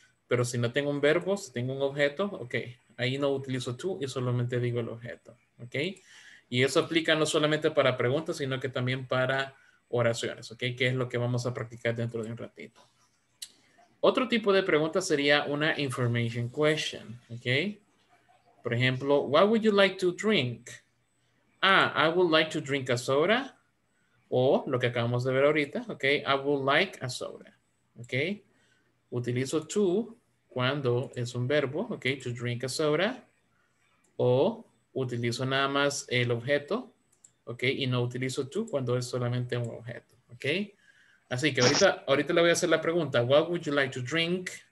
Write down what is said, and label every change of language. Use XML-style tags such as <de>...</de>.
<es>Pero si no tengo un verbo, si tengo un objeto, ok, ahí no utilizo tú y solamente digo el objeto, ok. Y eso aplica no solamente para preguntas, sino que también para oraciones, ok, que es lo que vamos a practicar dentro de un ratito. Otro tipo de pregunta sería una information question, ok. Por ejemplo,</es> <en>what would you like to drink? Ah, I would like to drink a soda.</en> <es>O lo que acabamos de ver ahorita, ok,</es> <en>I would like a soda,</en> <es>ok. Utilizo to cuando es un verbo, ok, to drink a soda, o utilizo nada más el objeto, ok, y no utilizo to cuando es solamente un objeto, ok. Así que ahorita le voy a hacer la pregunta,</es> <en>what would you like to drink?</en>